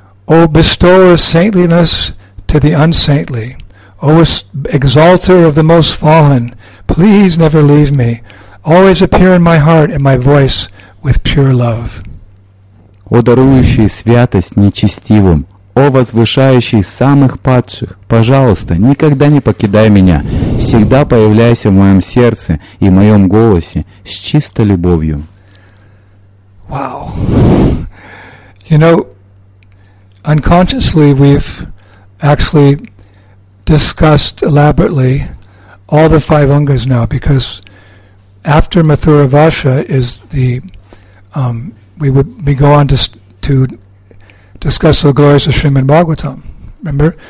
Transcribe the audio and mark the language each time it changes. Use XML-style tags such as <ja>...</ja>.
<en>O bestower of saintliness to the unsaintly, O exalter of the most fallen, please never leave me. Always appear in my heart and my voice with pure love.</en> <ru>О дарующий святость нечестивым, О возвышающий самых падших, пожалуйста, никогда не покидай меня. Всегда появляйся в моем сердце и в моем голосе с чистой любовью.</ru> <en>Wow. You know, unconsciously we've actually discussed elaborately all the five angas now, because after Mathura Vasha is the we go on to discuss the glories of Srimad Bhagavatam. Remember?</en>